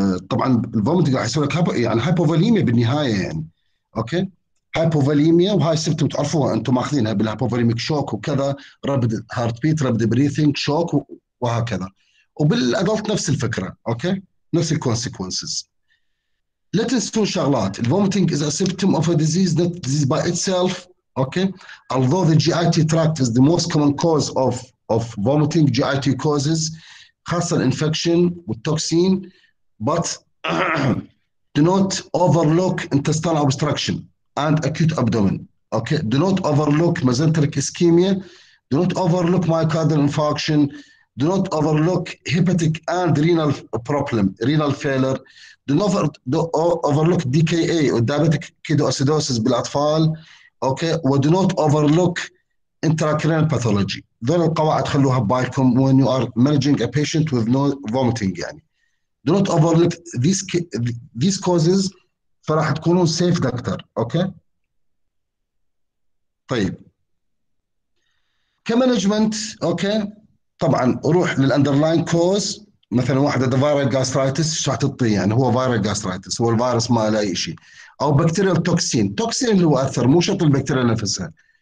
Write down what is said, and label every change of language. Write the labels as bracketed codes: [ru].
[ar] طبعا الفوميتنج راح يصير لك يعني هايبوفوليميا بالنهايه يعني، اوكي؟ هايبوفوليميا، وهاي السبتم تعرفوها انتم ماخذينها بالهايبوفوليميك شوك وكذا، رابد هارت بيت، رابد بريثنج، شوك وهكذا. وبالادلت نفس الفكره، اوكي؟ نفس الكونسيكونسز. لا تنسون شغلات، [en] الفومتنج is symptom of a disease not disease by itself, okay? although the GIT tract is the most common cause of vomiting, GIT causes [ar] خاصه الانفكشن والتوكسين، [en] but do not overlook intestinal obstruction and acute abdomen. Okay, do not overlook mesenteric ischemia, do not overlook myocardial infarction, do not overlook hepatic and renal problem, renal failure, do not overlook DKA or diabetic ketoacidosis [ar] بالأطفال. [en] Okay, and do not overlook intracranial pathology. [ar] ذول القواعد خلوها ببالكم [en] when you are managing a patient with no vomiting [ar] يعني. [en] Do not overlook these causes [ar] فراح تكونون سيف دكتور، اوكي؟ طيب كمانجمنت، اوكي؟ طبعا روح للاندرلاين كوز، مثلا واحد عنده فايرال جاسترايتس ايش راح تعطيه؟ يعني هو فايرال جاسترايتس، هو الفيروس ما له اي شيء، او بكتيريال توكسين، توكسين اللي هو اثر مو شرط البكتيريا نفسها،